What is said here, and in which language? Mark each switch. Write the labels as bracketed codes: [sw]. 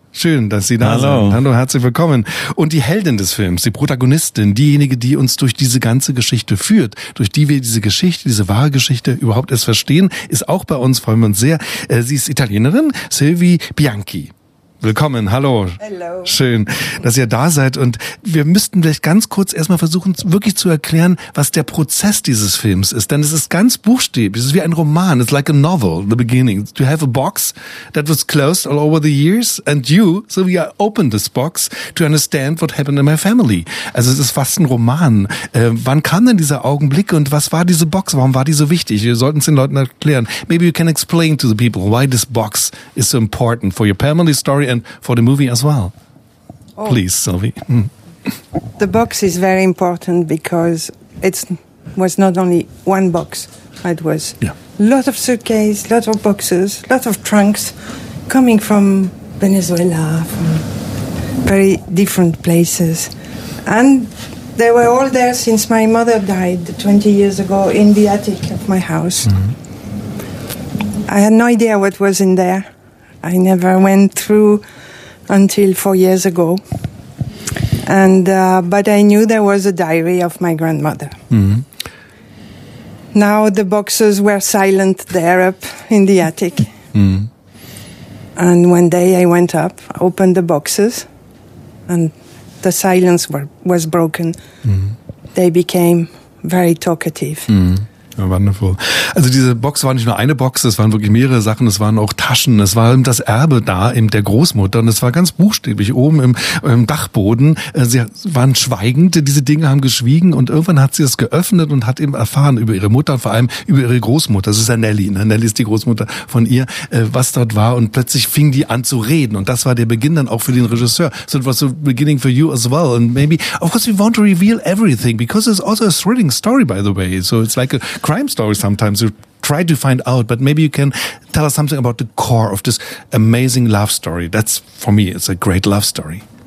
[de] Schön, dass Sie da sind. Hallo, herzlich willkommen. Und die Heldin des Films, die Protagonistin, diejenige, die uns durch diese ganze Geschichte führt, durch die wir diese Geschichte, diese wahre Geschichte überhaupt erst verstehen, ist auch bei uns, freuen wir uns sehr. Sie ist Italienerin, Silvi Bianchi. Willkommen, hallo. Hallo. Schön, dass ihr da seid. Und wir müssten vielleicht ganz kurz erstmal versuchen, wirklich zu erklären, was der Prozess dieses Films ist. Denn es ist ganz buchstäblich, es ist wie ein Roman. [en] It's like a novel, the beginning. You have a box that was closed all over the years and you, so we opened this box to understand what happened in my family. [de] Also es ist fast ein Roman. Wann kam denn dieser Augenblick und was war diese Box? Warum war die so wichtig? Wir sollten es den Leuten erklären. [en] Maybe you can explain to the people why this box is so important for your family story and for the movie as well. Oh. Please, Sylvie. The box is very important because it was not only one box, it was lot of suitcases, lot of boxes, lot of trunks coming from Venezuela, from very different places. And they were all there since my mother died 20 years ago in the attic of my house. Mm-hmm. I had no idea what was in there. I never went through until 4 years ago. But I knew there was a diary of my grandmother. Mm-hmm. Now the boxes were silent there up in the attic. Mm-hmm. And one day I went up, opened the boxes, and the silence was broken. Mm-hmm. They became very talkative. Mm-hmm. Ja, wonderful. [de] Also diese Box war nicht nur eine Box, es waren wirklich mehrere Sachen, es waren auch Taschen, es war eben das Erbe da, eben der Großmutter, und es war ganz buchstäblich oben im Dachboden. Sie waren schweigend, diese Dinge haben geschwiegen, und irgendwann hat sie es geöffnet und hat eben erfahren über ihre Mutter, vor allem über ihre Großmutter. Das ist ja Nelly, ne? Nelly ist die Großmutter von ihr, was dort war, und plötzlich fing die an zu reden, und das war der Beginn dann auch für den Regisseur. [en] So it was the beginning for you as well, and maybe, of course we want to reveal everything, because it's also a thrilling story, by the way, so it's like a crime story sometimes you try to find out, but maybe you can tell us something about the core of this amazing love story. That's, for me, it's a great love story.